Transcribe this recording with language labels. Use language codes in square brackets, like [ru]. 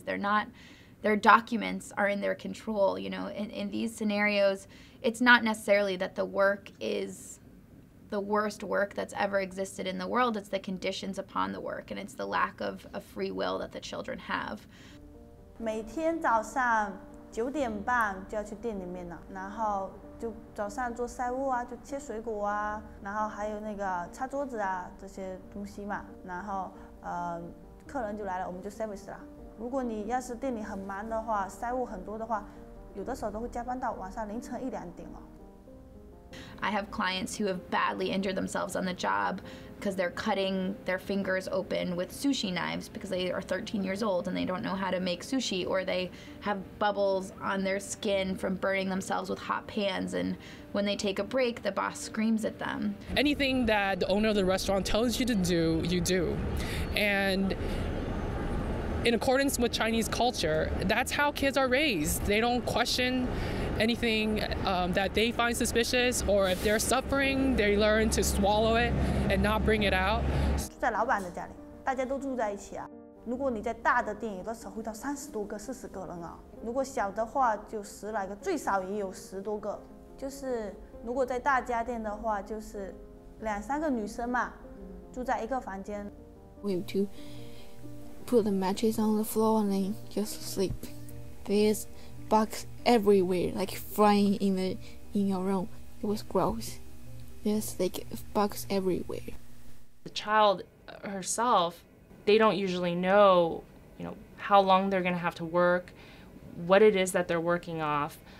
[en] They're not, their documents are in their control. You know, in these scenarios, it's not necessarily that the work is the worst work that's ever existed in the world. It's the conditions upon the work, and it's the lack of free will that the children have. [zh] 每天早上9:30就要去店里面了，然后就早上做晒物啊，就切水果啊，然后还有那个擦桌子啊这些东西嘛，然后客人就来了，我们就 service 啦。如果你要是店里很忙的话，晒物很多的话，有的时候都会加班到晚上凌晨一两点哦。 [en] I have clients who have badly injured themselves on the job because they're cutting their fingers open with sushi knives because they are 13 years old and they don't know how to make sushi, or they have bubbles on their skin from burning themselves with hot pans, and when they take a break, the boss screams at them. Anything that the owner of the restaurant tells you to do, you do. And in accordance with Chinese culture, that's how kids are raised. They don't questionanything that they find suspicious, or if they're suffering, they learn to swallow it and not bring it out. [zh] 住在老板的家里，大家都住在一起啊。如果你在大的店，有的时候会到30多个、40个人啊。如果小的话，就10来个，最少也有10多个。就是如果在大家店的话，就是2-3个女生嘛，住在一个房间。 [en] We have to put the mattress on the floor and then just sleep. There's bugs. Everywhere, like flying in your room. It was gross. There's like bugs everywhere. The child herself, they don't usually know, you know, how long they're gonna have to work, what it is that they're working off.